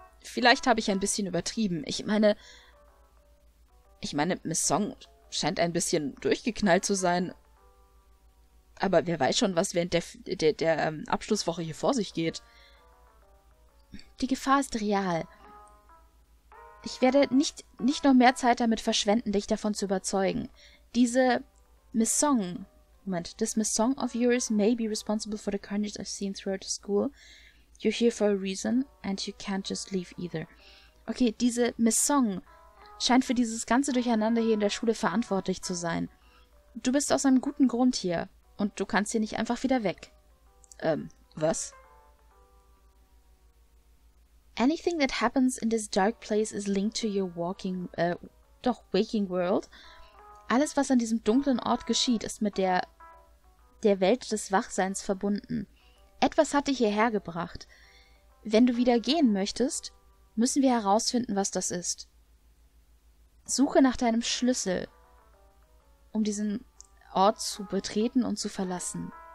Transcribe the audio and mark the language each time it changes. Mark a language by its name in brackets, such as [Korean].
[German] Vielleicht habe ich ein bisschen übertrieben. Ich meine, Miss Song scheint ein bisschen durchgeknallt zu sein. Aber wer weiß schon, was während der Abschlusswoche hier vor sich geht. Die Gefahr ist real. Ich werde nicht noch mehr Zeit damit verschwenden, dich davon zu überzeugen. Diese Miss Song, Moment, [English] this Miss Song of yours may be responsible for the carnage I've seen throughout the school. You're here for a reason, and you can't just leave either. [German] Okay, diese Miss Song scheint für dieses ganze Durcheinander hier in der Schule verantwortlich zu sein. Du bist aus einem guten Grund hier, und du kannst hier nicht einfach wieder weg. Was? [English] Anything that happens in this dark place is linked to your walking, doch, waking world. [German] Alles, was an diesem dunklen Ort geschieht, ist mit der Welt des Wachseins verbunden. Etwas hat dich hierher gebracht. Wenn du wieder gehen möchtest, müssen wir herausfinden, was das ist. Suche nach deinem Schlüssel, um diesen Ort zu betreten und zu verlassen.